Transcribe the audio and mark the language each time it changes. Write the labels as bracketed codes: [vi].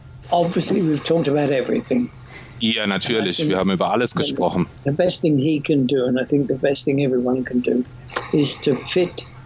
[en] Obviously we've talked about everything. [de] Ja, natürlich, wir haben über alles gesprochen. [en] The best thing he can do, and I think the best thing everyone can do, is to fit.